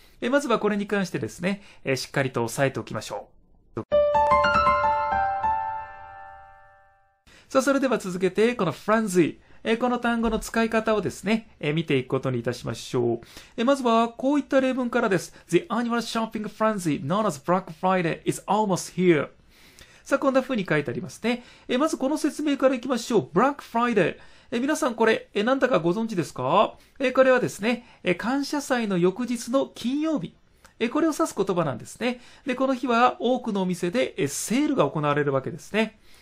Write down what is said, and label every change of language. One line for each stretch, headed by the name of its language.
Japanese: まずはこれに関してですね、しっかりと押さえておきましょう。さあ、それでは続けて、このフレンズイ、この単語の使い方をですね、見ていくことにいたしましょう。まずはこういった例文からです。
English: The annual shopping frenzy known as Black Friday is almost here.
Japanese: さあ、こんな風に書いてありますね。まずこの説明からいきましょう。
English: Black Friday。
Japanese: 皆さんこれ、なんだかご存知ですか？これはですね、感謝祭の翌日の金曜日、これを指す言葉なんですね。で、この日は多くのお店でセールが行われるわけですね。